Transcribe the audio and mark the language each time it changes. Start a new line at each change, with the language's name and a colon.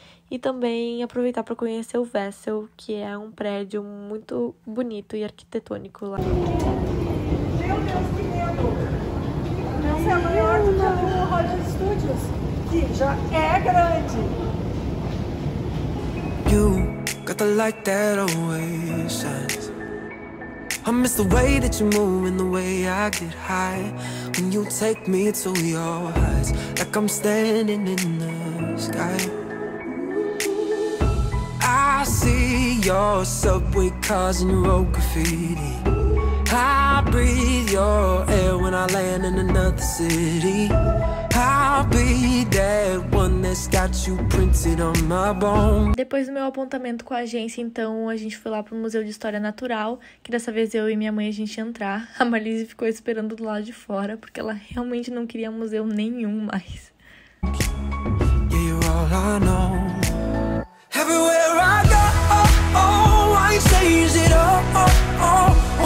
Portuguese: E também aproveitar pra conhecer o Vessel, que é um prédio muito bonito e arquitetônico lá. Meu Deus, que é maior do que o Hollywood Studios, que já é grande.
English: You got the light that always shines. I miss the way that you move and the way I get high. When you take me to your heights, like I'm standing in the sky. I see your subway cars and your old graffiti. I breathe your air when I land in another city. I'll be that one that's got you printed on my bone.
Portuguese: Depois do meu apontamento com a agência, então, a gente foi lá pro Museu de História Natural, que dessa vez eu e minha mãe a gente ia entrar. A Marlise ficou esperando do lado de fora, porque ela realmente não queria museu nenhum mais.
English: Yeah, you're all I know. Everywhere I go, oh, oh, I change it all.